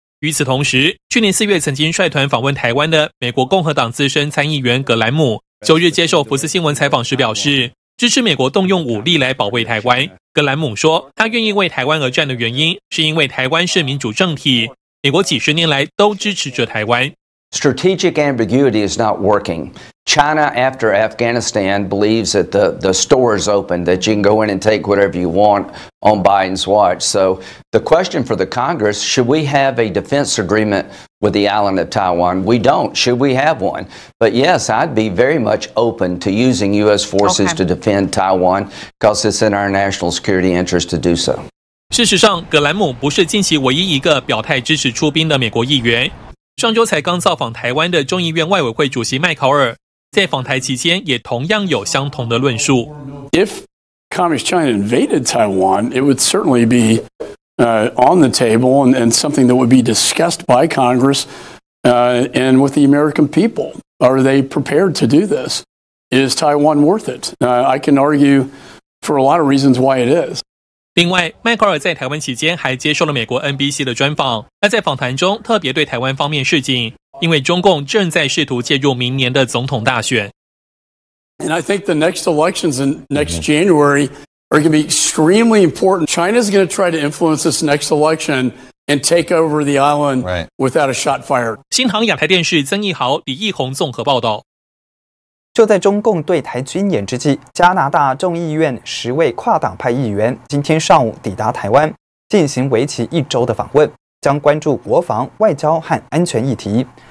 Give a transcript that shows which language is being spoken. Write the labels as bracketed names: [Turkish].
[Chinese] 与此同时，去年4月曾经率团访问台湾的美国共和党资深参议员葛兰姆，9日接受福斯新闻采访时表示，支持美国动用武力来保卫台湾。葛兰姆说，他愿意为台湾而战的原因，是因为台湾是民主政体，美国几十年来都支持着台湾。 [English] Strategic ambiguity is not working. China, after Afghanistan, believes that the store is open, that you can go in and take whatever you want on Biden's watch. So the question for the Congress, should we have a defense agreement with the island of Taiwan? We don't. Should we have one? But yes, I'd be very much open to using U.S. forces to defend Taiwan because it's in our national security interest to do so. [Chinese] 事实上，葛兰姆不是近期唯一一个表态支持出兵的美国议员。上周才刚造访台湾的众议院外委会主席麦考尔，在访台期间也同样有相同的论述。 [English] If Communist China invaded Taiwan, it would certainly be on the table and something that would be discussed by Congress and with the American people. Are they prepared to do this? Is Taiwan worth it? I can argue for a lot of reasons why it is. [Chinese] 另外，麦考尔在台湾期间还接受了美国 NBC 的专访。他在访谈中特别对台湾方面示警，因为中共正在试图介入明年的总统大选。 [English] And I think the next elections in next January are going to be extremely important. China is going to try to influence this next election and take over the island without a shot fired. [Chinese] 新唐亚太电视曾义豪、李义宏综合报道。就在中共对台军演之际，加拿大众议院10位跨党派议员今天上午抵达台湾，进行为期一周的访问，将关注国防、外交和安全议题。